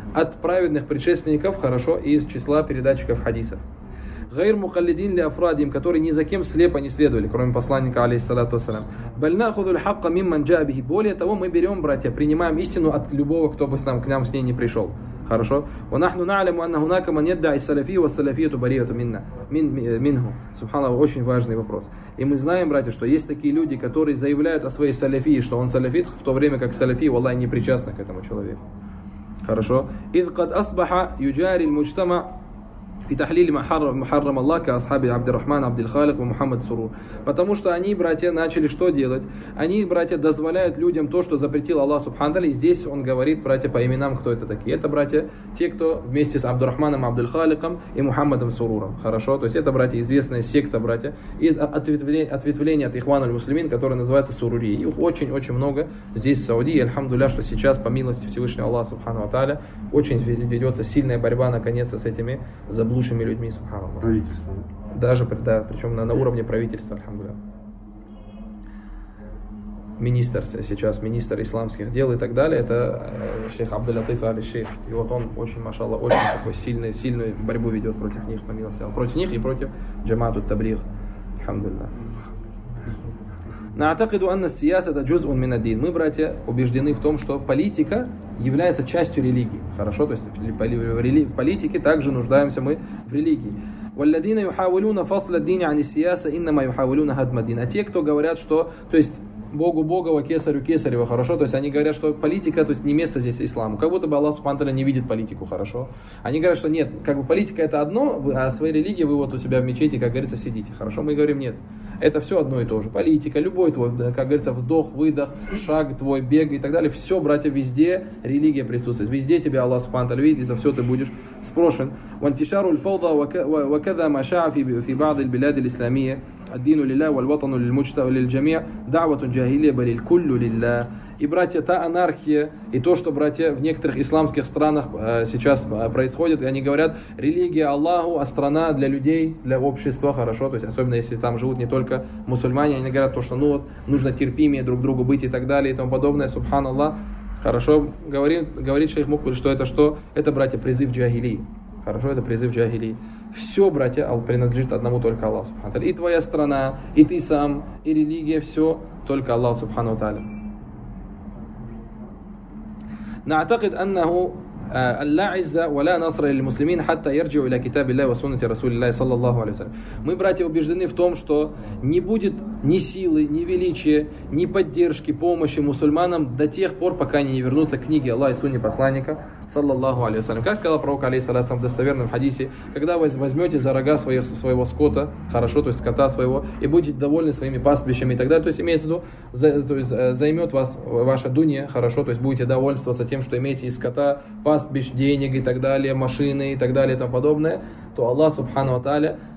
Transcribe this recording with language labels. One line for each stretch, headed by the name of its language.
Russian: От праведных предшественников, хорошо, из числа передатчиков хадисов.
Arabic: غير مقلدين لأفراد
Russian: им, которые ни за кем слепо не следовали, кроме посланника алейхиссалям.
Arabic: بل ناخذ الحق ممن جاء به.
Russian: Более того, мы берем, братья, принимаем истину от любого, кто бы к нам с ней не пришел. Хорошо.
Arabic: ونحن نعلم أن هناك من يدعي السلفية والسلفية برية منا منه.
Russian: سبحان الله, очень важный вопрос. И мы знаем, братья, что есть такие люди, которые заявляют о своей салафии, что он салафит, в то время как салафи, والله, не причастны к этому человеку. Хорошо.
Arabic: إذ قد أصبح يجاري المجتمع في تحليل محرم الله كأصحاب عبد الرحمن عبد الخالق ومحمد سرور.
Russian: Потому что они, братья, начали что делать? Они, братья, дозволяют людям то, что запретил Аллах Субханаху. И здесь он говорит, братья, по именам, кто это такие. Это, братья, те, кто вместе с Абдурахманом Абдул-Халиком и Мухаммадом Суруром. Хорошо? То есть это, братья, известная секта, братья, из ответвления от Ихвана аль-Муслимин, которая называется Сурурия. Их очень-очень много здесь, в Саудии. Альхамдулля, что сейчас, по милости Всевышнего Аллаха Субханаху Тааля, очень ведется сильная борьба, наконец-то, с этими заблудшими людьми, субханаллах. Правительство. Даже, да, причем на уровне правительства, альхамдулля. Министр сейчас, министр исламских дел и так далее, это шейх Абдул-Латиф аль-Шейх. И вот он очень, машалла, очень такой сильный, сильную борьбу ведет против них, по милости. Против них и против джамаат ут-таблигх, альхамдулля.
Arabic: نعتقد أن السياسة جزء من الدين.
Russian: Мы, братья, убеждены в том, что политика является частью религии. Хорошо, то есть в политике также нуждаемся мы в религии.
Arabic: والذين يحاولون فصل الدين عن السياسة إنما يحاولون هدم الدين.
Russian: А те, кто говорят, что, то есть Богу Богово, кесарю кесарево, хорошо, то есть они говорят, что политика, то есть не место здесь исламу, как будто бы Аллах Субхану Тааля не видит политику, хорошо. Они говорят, что нет, как бы политика это одно, а своей религии вы вот у себя в мечети, как говорится, сидите, хорошо. Мы говорим, нет, это все одно и то же, политика, любой твой, как говорится, вздох, выдох, шаг твой, бег и так далее, все, братья, везде религия присутствует, везде тебя Аллах Субхану Тааля видит, и за все ты будешь спрошен.
Arabic: وانتشار الفوضى وكذا ما شاع في بعض البلاد الإسلامية الدين لله والوطن للمجتمع للجميع دعوة جاهلية بل الكل لله.
Russian: И, братья, та анархия и то, что, братья, в некоторых исламских странах сейчас происходит, они говорят, религия Аллаху, а страна для людей, для общества, хорошо, то есть особенно если там живут не только мусульмане, они говорят то, что ну вот нужно терпимее друг другу быть и так далее и тому подобное, субханаллах. Хорошо, говорит шейх Мукбиль, что это что? Это, братья, призыв джахилии. Хорошо, это призыв джахилии. Все, братья, принадлежит одному только Аллаху Субхану Тааля. И твоя страна, и ты сам, и религия, все только Аллаху Субхану Тааля.
Arabic: نعتقد أنه لا عز ولا نصر للمسلمين حتى يرجعوا إلى كتاب الله وسنة رسول الله صلى الله عليه وسلم.
Russian: Мы, братья, убеждены в том, что не будет ни силы, ни величия, ни поддержки, помощи мусульманам до тех пор, пока они не вернутся к книге Аллаха и сунне посланника саллаллаху алейхи ва саллям. Как сказал пророк алейхиссалям в достоверном хадисе, когда вы возьмете за рога своего скота, хорошо, то есть скота своего, и будете довольны своими пастбищами и так далее, то есть имеется в виду, займет вас ваша дунья, хорошо, то есть будете довольствоваться тем, что имеете из скота, пастбищ, денег и так далее, машины и так далее и тому подобное, то Аллах Субхану Тааля